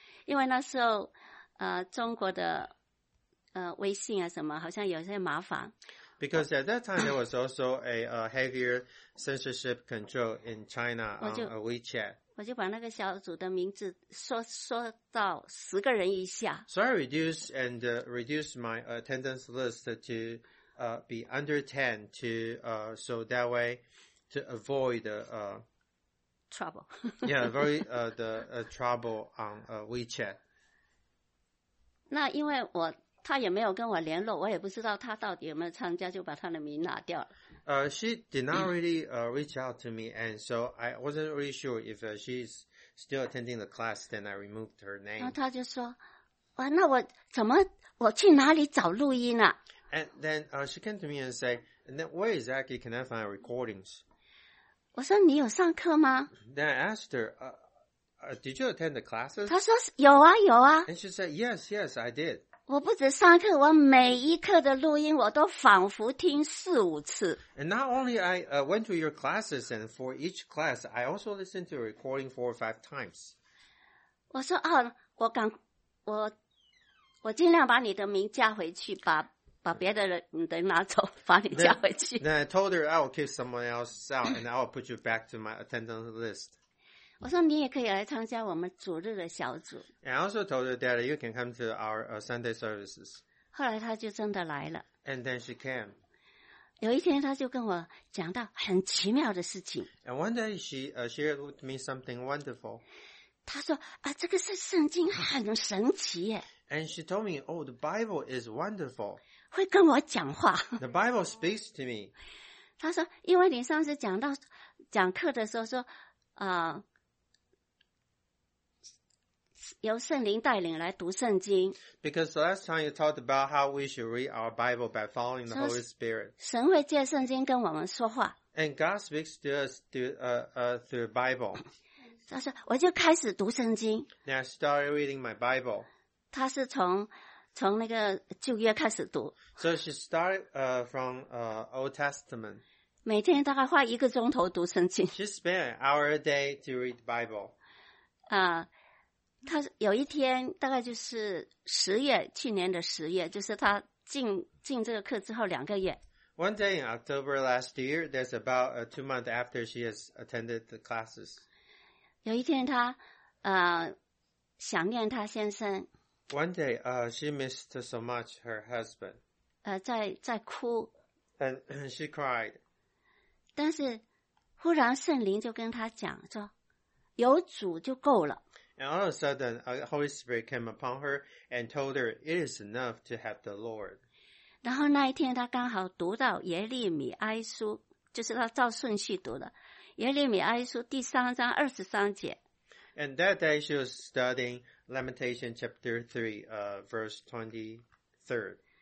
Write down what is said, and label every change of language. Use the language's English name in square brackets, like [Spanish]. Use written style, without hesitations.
[Chinese] 因为那时候，中国的微信啊什么，好像有些麻烦。 [English] Because at that time there was also a heavier censorship control in China on WeChat. [Chinese] 我就把那个小组的名字缩到十个人以下。 [English] So I reduced my attendance list to be under 10 to so that way to avoid the trouble. Yeah, very the trouble on WeChat. [Chinese] 那因为我他也没有跟我联络，我也不知道他到底有没有参加，就把他的名拿掉了。 [English] She did not really reach out to me, and so I wasn't really sure if she's still attending the class. Then I removed her name. [Chinese] 然后他就说：“哇，那我怎么我去哪里找录音啊 [English] ？”And then she came to me and said, "And then where exactly can I find recordings?" [Chinese] 我说：“你有上课吗 [English] ？”Then I asked her, "Did you attend the classes?" [Chinese] 他说：“有啊，有啊。 [English] ”And she said, "Yes, yes, I did." [Chinese] 我不止上课，我每一课的录音我都仿佛听四五次。 [English] And not only I went to your classes, and for each class, I also listened to a recording four or five times. [Chinese] 我说哦，我尽量把你的名加回去，把别的人的拿走，把你加回去。 [English] Then I told her I will keep someone else out, and I will put you back to my attendance list. [Chinese] 我说你也可以来参加我们主日的小组。 [English] And I also told her that you can come to our Sunday services. [Chinese] 后来他就真的来了。 [English] And then she came. [Chinese] 有一天他就跟我讲到很奇妙的事情。 [English] And one day she shared with me something wonderful. [Chinese] 他说啊，这个是圣经很神奇耶。 [English] And she told me, oh, the Bible is wonderful. [Chinese] 会跟我讲话。 [English] The Bible speaks to me. [Chinese] 他说，因为你上次讲课的时候说，由圣灵带领来读圣经。 [English] Because last time you talked about how we should read our Bible by following the Holy Spirit. [Chinese] 神会借圣经跟我们说话。 [English] And God speaks to us through the Bible. [Chinese] 他说，我就开始读圣经。 [English] Then I started reading my Bible. [Chinese] 他是从那个旧约开始读。 [English] So she started from Old Testament. [Chinese] 每天大概花一个钟头读圣经。 [English] She spent an hour a day to read the Bible. [Chinese] 他有一天大概就是十月，去年的十月，就是他进这个课之后两个月。 [English] One day in October last year, that's about two months after she has attended the classes. [Chinese] 有一天他想念他先生。 [English] One day, she missed so much her husband. [Chinese] 在哭。 [English] And she cried. [Chinese] 但是忽然圣灵就跟他讲说，有主就够了。 [English] And all of a sudden, a Holy Spirit came upon her and told her, it is enough to have the Lord. [Chinese] 然后那一天他刚好读到耶利米哀书，就是他照顺序读的，耶利米哀书第三章二十三节。 [English] And that day she was studying Lamentation chapter 3, verse 23.